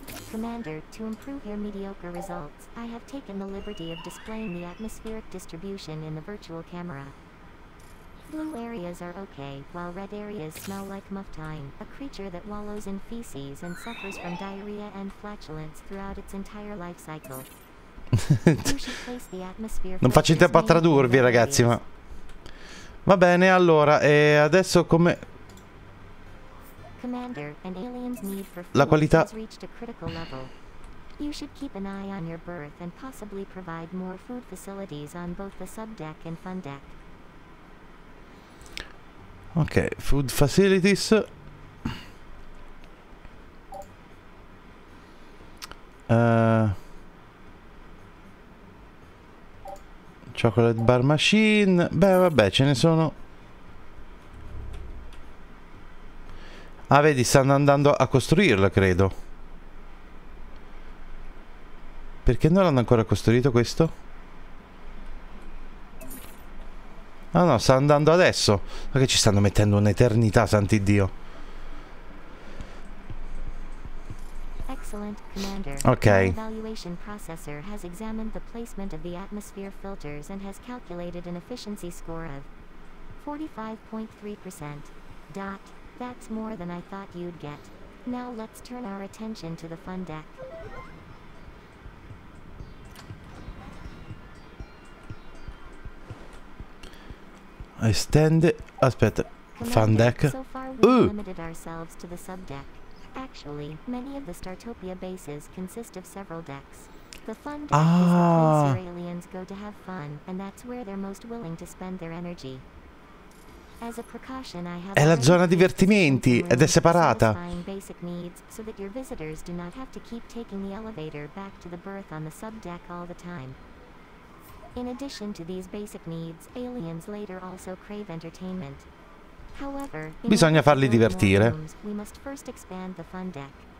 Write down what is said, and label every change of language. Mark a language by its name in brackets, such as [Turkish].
[English] Commander, to improve your mediocre results, I have taken the liberty of displaying the atmospheric distribution in the virtual camera. Blue areas are okay, while red areas smell like Muftine, a creature that wallows in feces and suffers from diarrhea and flatulence throughout its entire life cycle. [Italian] Non faccio in tempo a tradurvi, ragazzi, ma... Va bene, allora, e adesso come... [English] Commander, an alien's need for food [Italian] la qualità [English] has reached a critical level. You should keep an eye on your berth and possibly provide more food facilities on both the subdeck and fun deck. Ok, food facilities. Chocolate bar machine. [Italian] Beh, vabbè, ce ne sono. Ah, vedi, stanno andando a costruirla, credo. Perché non l'hanno ancora costruito questo? Ah no, sta andando adesso. Ma che ci stanno mettendo un'eternità, santi Dio. [English] Excellent, Commander. Ok. Evaluation processor has examined the placement of the atmosphere filters and has calculated an efficiency score of 45.3%. Dot. That's more than I thought you'd get. Now let's turn our attention to the fun deck. [Italian] Estende, aspetta, fun deck. [English] So far we've limited ourselves to the sub deck. Actually, many of the Startopia bases consist of several decks. The fun deck is where aliens go to have fun, and that's where they're most willing to spend their energy. As a precaution, I have [Italian] è la zona divertimenti ed è separata. [English] Basic needs so that your visitors do not have to keep taking the elevator back to the berth on the sub deck all the time. In addition to these basic needs, aliens later also crave entertainment. However, [Italian] bisogna farli divertire. [English] We must first expand the fun deck.